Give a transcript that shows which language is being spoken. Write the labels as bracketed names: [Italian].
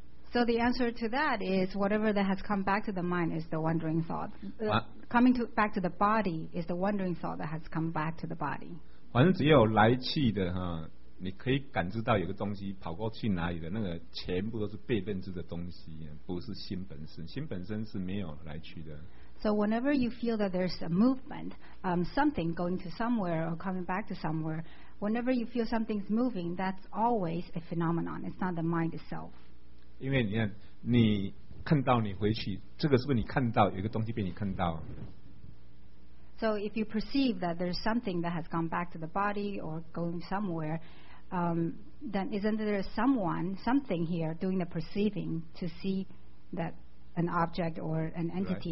[English] So the answer to that is whatever that has come back to the mind is the wandering thought. Coming back to the body is the wandering thought that has come back to the body. [Chinese] 反正只有来气的，你可以感知到有个东西跑过去哪里的，那个全部都是被认知的东西，不是心本身，心本身是没有来去的。 [English] So whenever you feel that there's a movement, something going to somewhere or coming back to somewhere, whenever you feel something's moving, that's always a phenomenon. It's not the mind itself. [Chinese] 因为你看到你回去，这个是不是你看到有一个东西被你看到？ [English] So if you perceive that there's something that has gone back to the body or going somewhere, then isn't there someone, something here doing the perceiving to see that an object or an entity